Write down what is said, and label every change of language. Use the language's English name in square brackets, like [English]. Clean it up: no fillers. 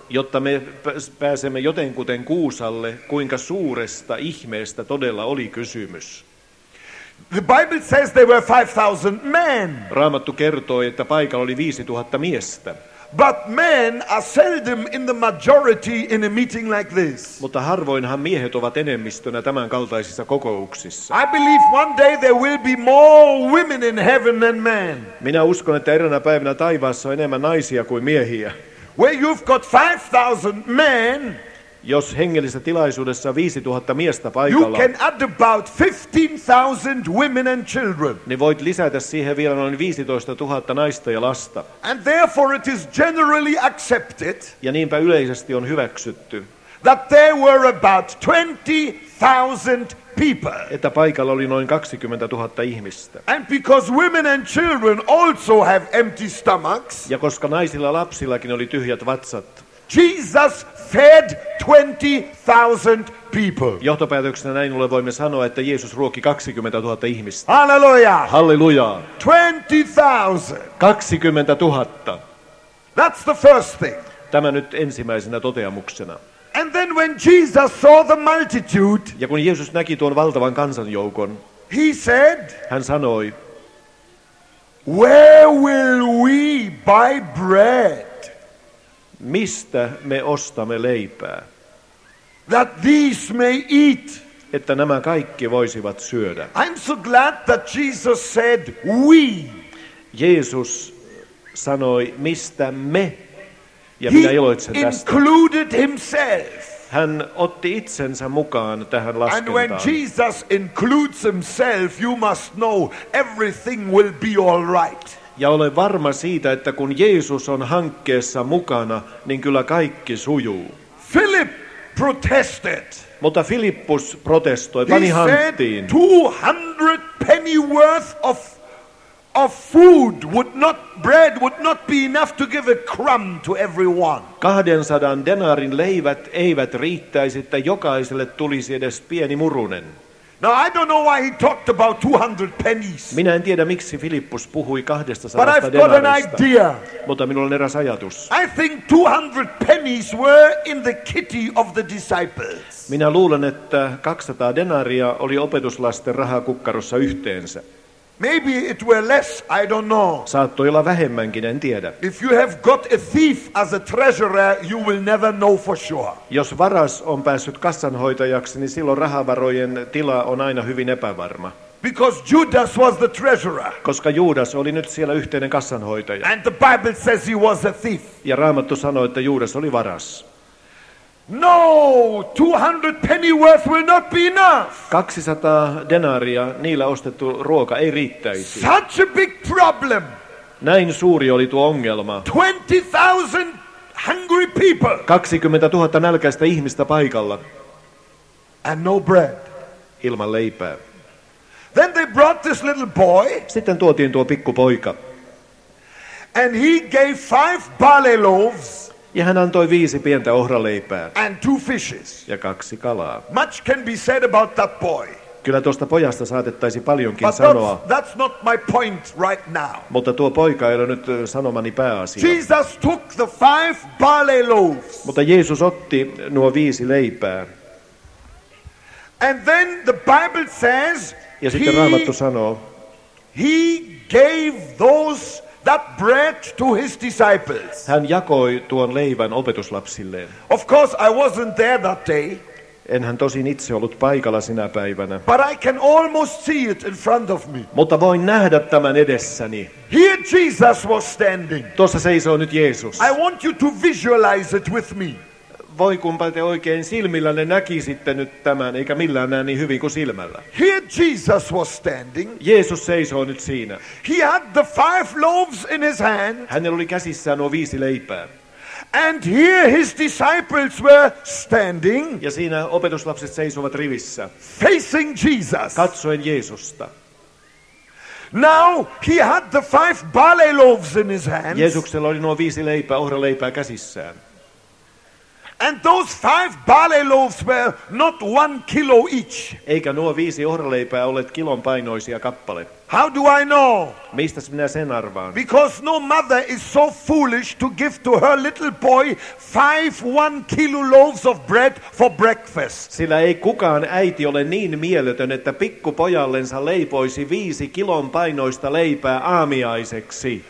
[Finnish] Jotta me pääsemme jotenkuten kuusalle, kuinka suuresta ihmeestä todella oli kysymys. [English] The Bible says there were 5,000 men. [Finnish] Raamattu kertoo, että paikalla oli 5,000 miestä. [English] But men are seldom in the majority in a meeting like this. [Finnish] Mutta harvoinhan miehet ovat enemmistönä tämän kaltaisissa kokouksissa. [English] I believe one day there will be more women in heaven than men. [Finnish] Minä uskon, että eräänä päivänä taivaassa on enemmän naisia kuin miehiä. [English] Where you've got 5,000 men. [Finnish] Jos hengellisessä tilaisuudessa 5,000 miestä paikalla. [English] You can add about 15,000 women and children. [Finnish] Niin voit lisätä siihen vielä noin 15,000 naista ja lasta. [English] And therefore it is generally accepted. [Finnish] Ja niinpä yleisesti on hyväksytty. [English] That there were about 20,000 people. [Finnish] Että paikalla oli noin 20,000 ihmistä. [English] And because women and children also have empty stomachs. [Finnish] Ja koska naisilla lapsillakin oli tyhjät vatsat. [English] Jesus fed 20,000 people. [Finnish] Johtopäätöksenä näin ollen voimme sanoa, että Jeesus ruokki 20,000 ihmistä. [English] Halleluja! [Finnish] Halleluja! [English] 20,000. [Finnish] 20,000. [English] That's the first thing. [Finnish] Tämä nyt ensimmäisenä toteamuksena. [English] And then when Jesus saw the multitude, [Finnish] ja kun Jeesus näki tuon valtavan kansanjoukon, [English] he said, [Finnish] hän sanoi, [English] where will we buy bread? [Finnish] Mistä me ostamme leipää? [English] That these may eat. [Finnish] Että nämä kaikki voisivat syödä. [English] I'm so glad that Jesus said we. [Finnish] Jeesus sanoi, mistä me? Ja [English] he [Finnish] minä iloitsen tästä. [English] Included himself. [Finnish] Hän otti itsensä mukaan tähän laskentaan. [English] And when Jesus includes himself, you must know everything will be all right. [Finnish] Ja olen varma siitä, että kun Jeesus on hankkeessa mukana, niin kyllä kaikki sujuu. [English] Philip protested. [Finnish] Mutta Filippus protestoi, pani hanttiin. [English] 200 penny worth of food would not be enough to give a crumb to everyone. [Finnish] 200 denarin leivät eivät riittäisi, että jokaiselle tulisi edes pieni murunen. [English] Now I don't know why he talked about 200 pennies. [Finnish] Minä en tiedä miksi Filippus puhui 200 denarista. [English] But I've got an idea. [Finnish] Mutta minulla on eräs ajatus. [English] I think 200 pennies were in the kitty of the disciples. [Finnish] Minä luulen, että 200 denaria oli opetuslasten rahakukkarossa yhteensä. [English] Maybe it were less, I don't know. [Finnish] Saattoi olla vähemmänkin, en tiedä. [English] If you have got a thief as a treasurer, you will never know for sure. [Finnish] Jos varas on päässyt kassanhoitajaksi, niin silloin rahavarojen tila on aina hyvin epävarma. [English] Because Judas was the treasurer. [Finnish] Koska Juudas oli nyt siellä yhteinen kassanhoitaja. [English] And the Bible says he was a thief. [Finnish] Ja Raamattu sanoi, että Juudas oli varas. [English] No, 200 penny worth will not be enough. [Finnish] 200 denaria niillä ostettu ruoka ei riittäisi. [English] Such a big problem. [Finnish] Näin suuri oli tuo ongelma. [English] 20,000 hungry people. [Finnish] 20,000 nälkäistä ihmistä paikalla. [English] And no bread. [Finnish] Ilman leipää. [English] Then they brought this little boy. [Finnish] Sitten tuotiin tuo pikkupoika. [English] And he gave 5 barley loaves. [Finnish] Ja hän antoi 5 pientä ohraleipää. [English] And 2 fishes. [Finnish] Ja 2 kalaa. [English] Much can be said about that boy. [Finnish] Kyllä tuosta pojasta saatettaisi paljonkin sanoa. [English] That's not my point right now. [Finnish] Mutta tuo poika ei ole nyt sanomani pääasia. [English] Jesus took the five barley loaves. [Finnish] Mutta Jeesus otti nuo viisi leipää. [English] And then the Bible says, [Finnish] ja sitten Raamattu sanoo, [English] he gave those that bread to his disciples. [Finnish] Hän jakoi tuon leivän opetuslapsilleen. [English] Of course I wasn't there that day. [Finnish] Enhän tosin itse ollut paikalla sinä päivänä. [English] But I can almost see it in front of me. [Finnish] Mutta voin nähdä tämän edessäni. [English] Here Jesus was standing. [Finnish] Tuossa seisoo nyt Jeesus. [English] I want you to visualize it with me. [Finnish] Voi kunpa te oikein silmillänne näkisitte nyt tämän, eikä millään näe niin hyvin kuin silmällä. [English] Here Jesus was standing. [Finnish] Jeesus seisoo nyt siinä. [English] He had the five loaves in his hand. [Finnish] Hänellä oli käsissään nuo viisi leipää. [English] And here his disciples were standing. [Finnish] Ja siinä opetuslapset seisovat rivissä. [English] Facing Jesus. [Finnish] Katsoen Jeesusta. [English] Now he had the five barley loaves in his hands. [Finnish] Jeesuksella oli nuo viisi leipää, ohraleipää käsissään. [English] And those five barley loaves were not 1 kilo each. [Finnish] Eikä nuo viisi ohraleipää ole kilon painoisia kappale. [English] How do I know? [Finnish] Mistäs minä sen arvaan? [English] Because no mother is so foolish to give to her little boy 5 1-kilo loaves of bread for breakfast. [Finnish] Sillä ei kukaan äiti ole niin mieletön, että pikkupojallensa leipoisi 5 kilon painoista leipää aamiaiseksi.